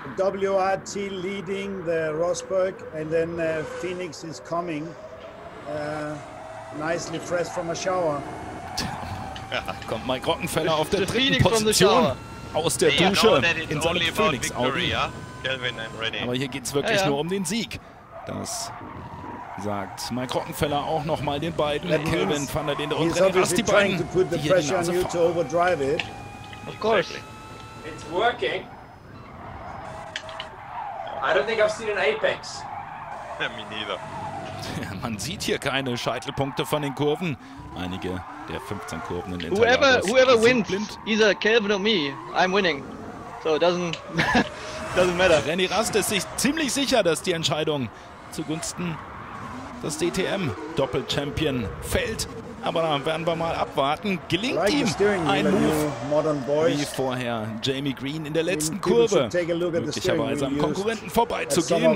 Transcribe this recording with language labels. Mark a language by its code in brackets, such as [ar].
[en] WRT leading the Rosberg, and then Phoenix is coming. Nicely fresh from a shower. [de] Kommt Mike Rockenfeller auf der dritten Position aus der Dusche in seinem Phoenix-Audi. Aber hier geht es wirklich nur um den Sieg. Das sagt Mike Rockenfeller auch nochmal den beiden. Kelvin van der Linde und René Rast, die beiden, die hier die Nase fahren. [en] Of course. It's working. I don't think I've seen an apex. Me neither. [de] Man sieht hier keine Scheitelpunkte von den Kurven. Einige der 15 Kurven in Interlagos. [en] Whoever wins, either Kelvin or me, I'm winning. So it doesn't matter. [de] René Rast ist sich ziemlich sicher, dass die Entscheidung zugunsten des DTM-Doppel-Champion fällt. Aber da werden wir mal abwarten. Gelingt [en] like [de] ihm ein Move wie vorher Jamie Green in der letzten Kurve, möglicherweise am Konkurrenten vorbeizugehen.